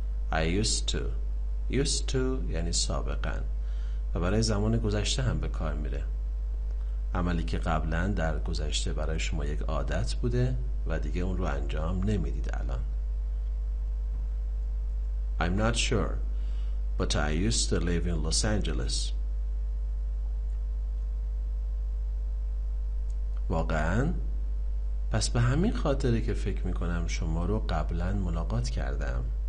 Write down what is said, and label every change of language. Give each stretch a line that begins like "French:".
English: I used to
Persian: یعنی سابقا و برای زمان گذشته هم به کار میره. عملی که قبلا در گذشته برای شما یک عادت بوده و دیگه اون رو انجام نمیدید الان.
English: I'm not sure, but I used to live in Los Angeles.
Persian: واقعا؟ پس به همین خاطره که فکر میکنم شما رو قبلن ملاقات کردم.